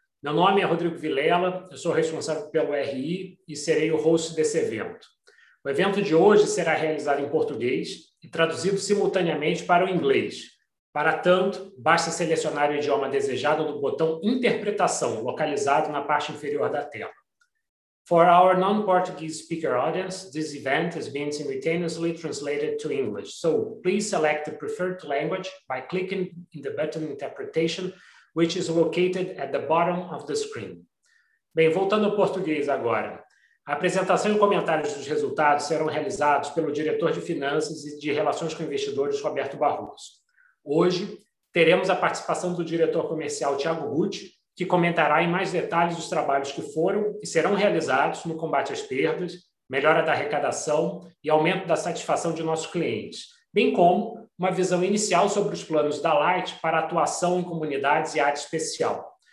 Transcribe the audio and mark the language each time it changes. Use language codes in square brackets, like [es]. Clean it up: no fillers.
[pt] Meu nome é Rodrigo Vilela, eu sou responsável pelo RI e serei o host desse evento. O evento de hoje será realizado em português e traduzido simultaneamente para o inglês. Para tanto, basta selecionar o idioma desejado no botão Interpretação, localizado na parte inferior da tela. [en] For our non-Portuguese speaker audience, this event is being simultaneously translated to English. So please select the preferred language by clicking in the button Interpretation, which is located at the bottom of the screen. [pt] Bem, voltando ao português agora. A apresentação e comentários dos resultados serão realizados pelo diretor de Finanças e de Relações com Investidores, Roberto Barroso. Hoje, teremos a participação do diretor comercial, Thiago Gucci, que comentará em mais detalhes os trabalhos que foram e serão realizados no combate às perdas, melhora da arrecadação e aumento da satisfação de nossos clientes, bem como uma visão inicial sobre os planos da Light para atuação em comunidades e área especial.